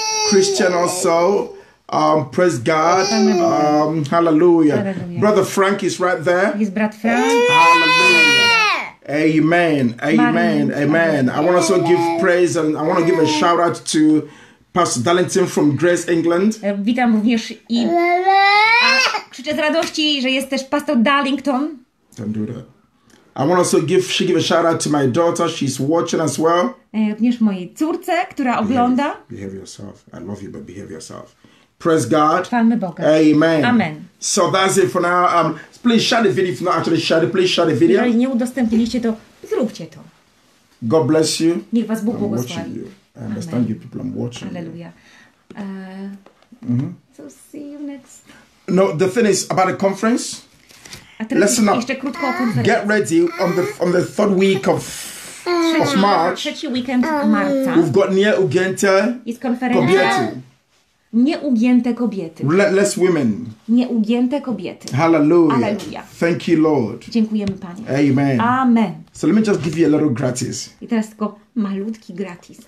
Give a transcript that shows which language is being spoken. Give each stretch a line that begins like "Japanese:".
English: Christian also. Praise God. Hallelujah. Brother Frank is right there. He's brat Frank. Hallelujah. Amen. Amen. Amen. I want to also give praise and I want to give a shout out to Pastor Darlington from Grace England.
Polish: Witam również i krzyczę z radości, że jest też Pastor Darlington.
English: Don't do that. I want to also give a shout out to my daughter. She's watching as well.
Polish: Również mojej córce, która ogląda.
English: Behave yourself. I love you, but behave yourself. Praise God.
Polish: Chwalmy Boga.
English: Amen. Amen. So that's it for now. Please share the video. If not actually share it, please share the video.
Polish: Jeżeli nie udostępniliście to, zróbcie to.
English: God bless you. Niech was Bóg błogosławi. I'm watching you. I understand you people. I'm watching Hallelujah. You. So see you next. No, the thing is about the conference. Listen up. Get ready on the third week of March.
Polish: Trzeci weekend marca.
English: We've got Nie Ugięte Kobiety.
Polish: Nieugięte kobiety.
English: Less women.
Polish: Nieugięte kobiety.
English: Hallelujah. Hallelujah. Thank you, Lord.
Polish: Dziękujemy, Panie.
English: Amen. Amen. So let me just give you a little gratis.
Polish: I teraz tylko malutki gratis.